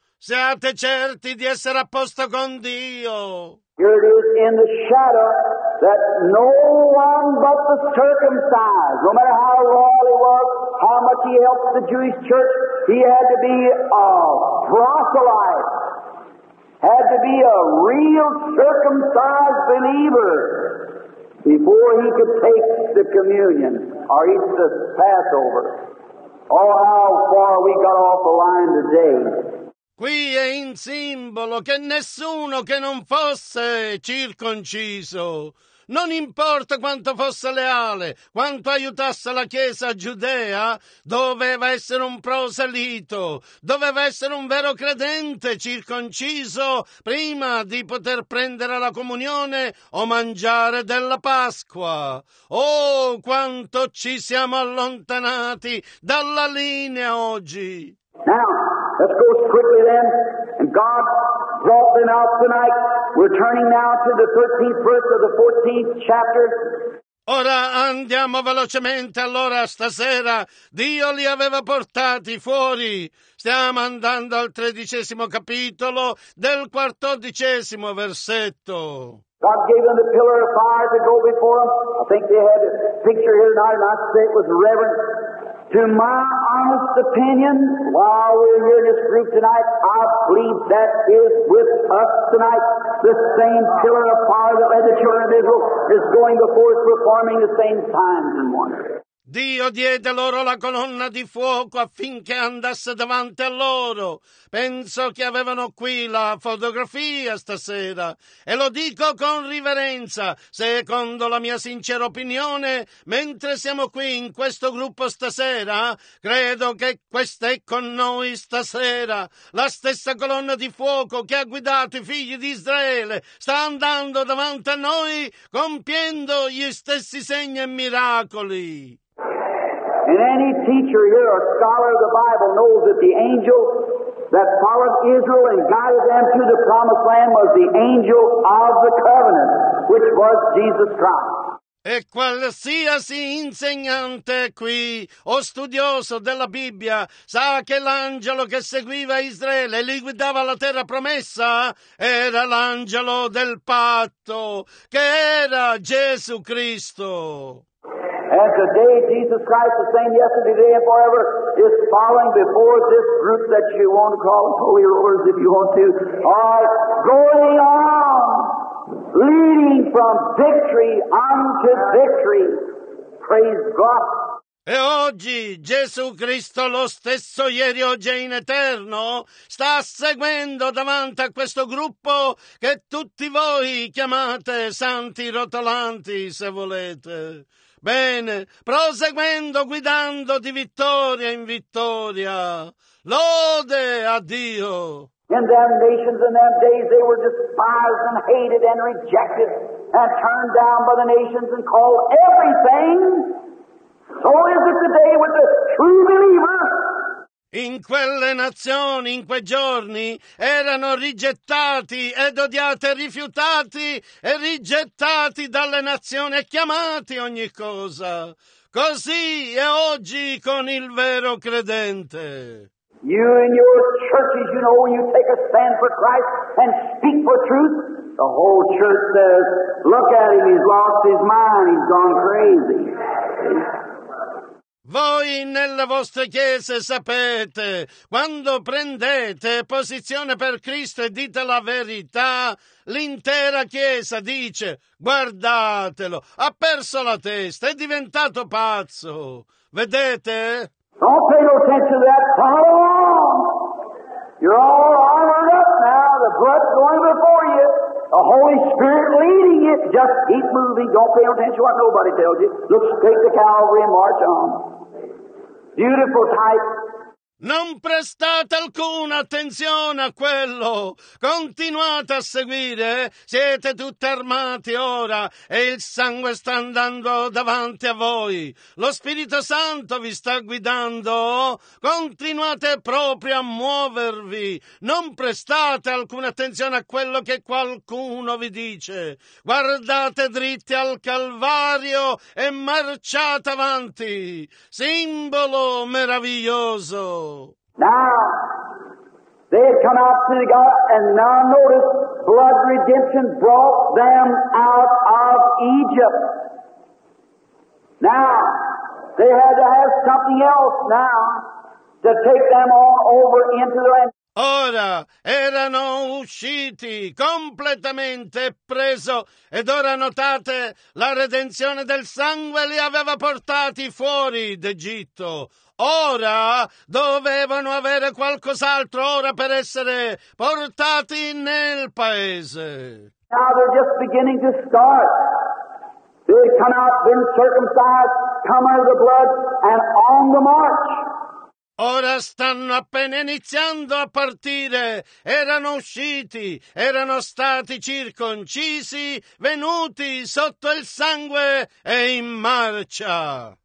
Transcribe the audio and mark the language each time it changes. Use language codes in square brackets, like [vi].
[it] Siate certi di essere a posto con Dio. [en] Here it is in the shadow that no one but the circumcised, no matter how loyal he was, how much he helped the Jewish church, he had to be a proselyte, had to be a real circumcised believer before he could take the communion or eat the Passover. Oh, how far we got off the line today. [it] Qui è in simbolo che nessuno che non fosse circonciso, non importa quanto fosse leale, quanto aiutasse la Chiesa Giudea, doveva essere un proselito, doveva essere un vero credente circonciso prima di poter prendere la comunione o mangiare della Pasqua. Oh, quanto ci siamo allontanati dalla linea oggi! [en] Now, let's go quickly then, and God, the brought them out tonight. We're turning now to the 13th verse of the 14th chapter. [it] Ora andiamo velocemente, allora stasera Dio li aveva portati fuori. Stiamo andando al 13° capitolo del 14° versetto. [en] God gave them the pillar of fire to go before them. I think they had a picture here tonight, and I say it was reverent. To my honest opinion, while we're here in this group tonight, I believe that is with us tonight. The same pillar of fire that led the children of Israel is going before us, performing the same signs and wonders. [it] Dio diede loro la colonna di fuoco affinché andasse davanti a loro. Penso che avevano qui la fotografia stasera. E lo dico con riverenza, secondo la mia sincera opinione, mentre siamo qui in questo gruppo stasera, credo che questa è con noi stasera. La stessa colonna di fuoco che ha guidato i figli di Israele sta andando davanti a noi, compiendo gli stessi segni e miracoli. [en] And any teacher here, a scholar of the Bible, knows that the angel that followed Israel and guided them to the promised land was the angel of the covenant, which was Jesus Christ. [it] E qualsiasi insegnante qui o studioso della Bibbia sa che l'angelo che seguiva Israele e li guidava alla terra promessa era l'angelo del patto, che era Gesù Cristo. [en] And today, Jesus Christ, the same yesterday, today, and forever, is following before this group that you want to call holy rollers, if you want to, are going on, leading from victory unto victory. Praise God. [it] E oggi Gesù Cristo, lo stesso ieri, oggi e in eterno, sta seguendo davanti a questo gruppo che tutti voi chiamate santi rotolanti, se volete. Bene, proseguendo, guidando di vittoria in vittoria. Lode a Dio! [en] In them nations, in them days, they were despised and hated and rejected and turned down by the nations and called everything. So is it today with the true believer. [it] In quelle nazioni, in quei giorni, erano rigettati ed odiati e rifiutati e rigettati dalle nazioni e chiamati ogni cosa. Così è oggi con il vero credente. [en] You and your churches, you know, when you take a stand for Christ and speak for truth, the whole church says, look at him, he's lost his mind, he's gone crazy. [it] Voi nelle vostre chiese sapete, quando prendete posizione per Cristo e dite la verità, l'intera chiesa dice, guardatelo, ha perso la testa, è diventato pazzo. Vedete? [en] Don't pay no attention to that. Follow along. You're all armored up now. The blood's going before you. The Holy Spirit leading you. Just keep moving. Don't pay no attention to what nobody tells you. Look straight to Calvary and march on. Beautiful type. [it] Non prestate alcuna attenzione a quello. Continuate a seguire. Siete tutti armati ora e il sangue sta andando davanti a voi. Lo Spirito Santo vi sta guidando. Continuate proprio a muovervi. Non prestate alcuna attenzione a quello che qualcuno vi dice. Guardate dritti al Calvario e marciate avanti. Simbolo meraviglioso. [en] Now, they had come out to God, and now notice, blood redemption brought them out of Egypt. Now, they had to have something else now to take them all over into the land. [it] Ora erano usciti completamente preso ed ora notate la redenzione del sangue li aveva portati fuori d'Egitto. Ora dovevano avere qualcos'altro ora per essere portati nel paese. [en] Now they're just beginning to start. They come out, been circumcised, come out of the blood and on the march. [it] Ora stanno appena iniziando a partire, erano usciti, erano stati circoncisi, venuti sotto il sangue e in marcia.